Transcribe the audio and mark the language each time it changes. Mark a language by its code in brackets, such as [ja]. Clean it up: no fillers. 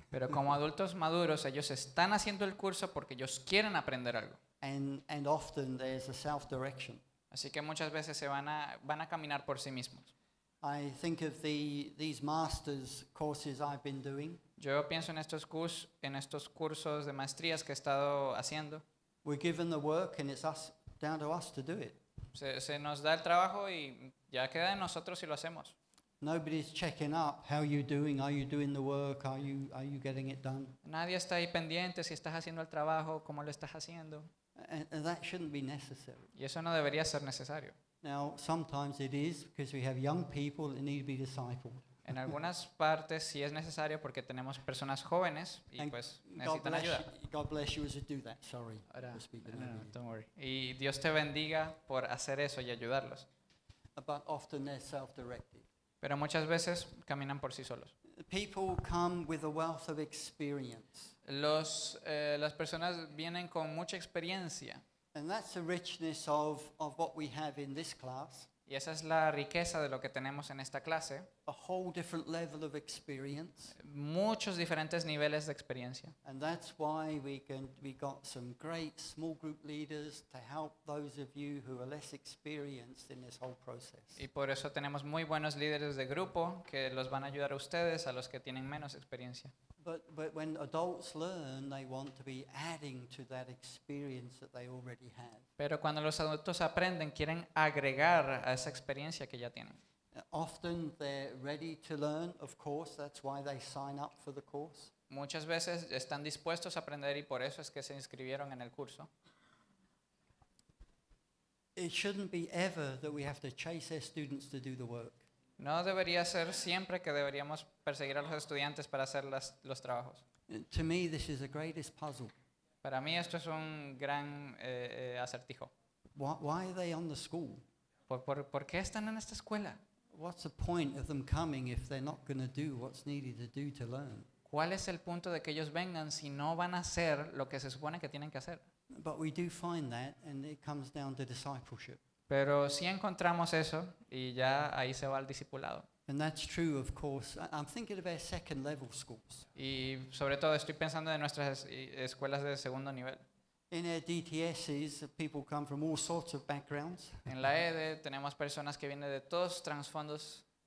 [es] Pero como adultos maduros, ellos están haciendo el curso porque ellos quieren aprender algo. [en] And often there's a self-direction. [es] Así que muchas veces se van a caminar por sí mismos. [en] I think of these master's courses I've been doing. [es] Yo pienso en estos cursos de maestrías que he estado haciendo. [en] We're given the work and it's us down to us to do it. [es] Se nos da el trabajo y ya queda en nosotros si lo hacemos. [en] Nobody's checking up. How are you doing? Are you doing the work? Are you getting it done? [es] Nadie está ahí pendiente si estás haciendo el trabajo, cómo lo estás haciendo. [en] And that shouldn't be necessary. [es] Y eso no debería ser necesario. [en] Now, sometimes it is because we have young people that need to be discipled. [es] En algunas partes sí es necesario porque tenemos personas jóvenes y [en] and [es] pues necesitan ayuda. [en] God bless you as you do that. Sorry. Don't worry. [es] Y Dios te bendiga por hacer eso y ayudarlos. [en] But often they're self-directed. [es] Pero muchas veces caminan por sí solos. [en] People come with a wealth of experience. [es] Las personas vienen con mucha experiencia. [en] And that's the richness of what we have in this class. [es] Y esa es la riqueza de lo que tenemos en esta clase. [en] A whole different level of experience. [es] Muchos diferentes niveles de experiencia. [en] And that's why we got some great small group leaders to help those of you who are less experienced in this whole process. [es] Y por eso tenemos muy buenos líderes de grupo que los van a ayudar a ustedes, a los que tienen menos experiencia. [en] But when adults learn, they want to be adding to that experience that they already have. [es] Pero cuando los adultos aprenden, quieren agregar a esa experiencia que ya tienen. [en] Often they're ready to learn, of course, that's why they sign up for the course. [es] Muchas veces están dispuestos a aprender y por eso es que se inscribieron en el curso. [en] It shouldn't be ever that we have to chase their students to do the work. [es] No debería ser siempre que deberíamos perseguir a los estudiantes para hacer los trabajos. [en] To me, this is the greatest puzzle. [es] Para mí esto es un gran acertijo. [en] Why are they on the school? [es] ¿Por qué están en esta escuela? [en] What's the point of them coming if they're not going to do what's needed to do to learn? [es] ¿Cuál es el punto de que ellos vengan si no van a hacer lo que se supone que tienen que hacer? [en] But we do find that, and it comes down to discipleship. [es] Pero sí encontramos eso, y ya ahí se va al discipulado. [en] And that's true, of course. I'm thinking about second-level schools. [es] Y sobre todo estoy pensando en nuestras escuelas de segundo nivel. [en] In our DTSs, people come from all sorts of backgrounds. [es] En la ED tenemos personas que vienen de todos trasfondos.